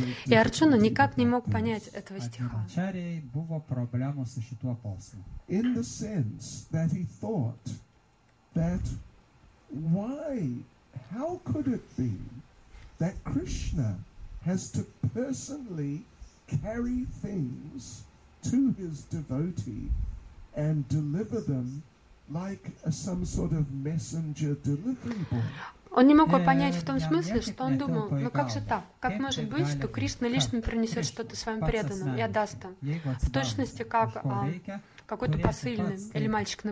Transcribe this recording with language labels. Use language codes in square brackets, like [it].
[ru] И Арджуна никак не мог понять этого стиха. Было проблема с этим послом. [en] In the sense that he thought that why How could it be that Krishna has to personally carry things to his devotee and deliver them like some sort of messenger delivery boy? [ru] Он не мог понять в том смысле, что он думал, ну как же так? Как может быть, что Кришна лично принесет что-то своим преданным и отдаст им? В точности, как какой-то посыльный или мальчик на